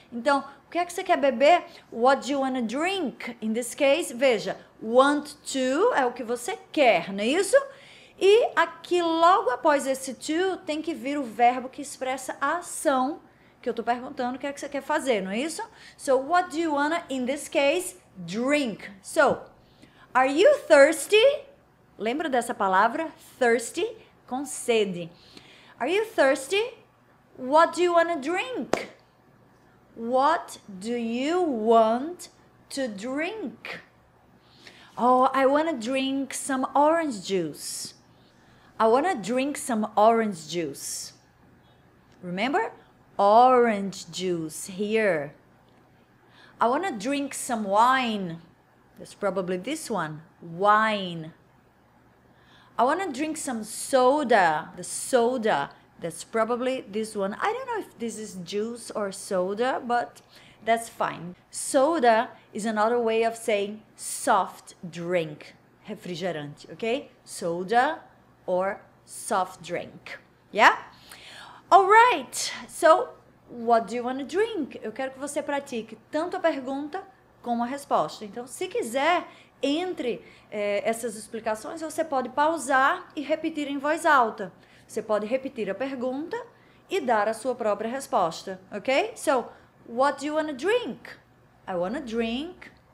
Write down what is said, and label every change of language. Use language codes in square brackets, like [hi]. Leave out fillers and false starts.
[pt] Então, o que é que você quer beber? [en] What do you want to drink? In this case, [pt] veja, want to é o que você quer, não é isso? E aqui, logo após esse to, tem que vir o verbo que expressa a ação que eu tô perguntando o que é que você quer fazer, não é isso? [en] So, what do you wanna, in this case, drink? So, are you thirsty? [pt] Lembra dessa palavra? [en] Thirsty, [pt] com sede. [en] Are you thirsty? What do you wanna drink? What do you want to drink? Oh, I wanna drink some orange juice. I want to drink some orange juice. Remember? Orange juice here. I want to drink some wine. That's probably this one. Wine. I want to drink some soda. The soda. That's probably this one. I don't know if this is juice or soda, but That's fine. Soda is another way of saying soft drink, refrigerante, okay? Soda or soft drink, yeah? All right, so what do you want to drink? [pt] Eu quero que você pratique tanto a pergunta como a resposta. Então, se quiser, entre essas explicações, você pode pausar e repetir em voz alta. Você pode repetir a pergunta e dar a sua própria resposta, ok? [en] So, what do you want to drink? I want to drink...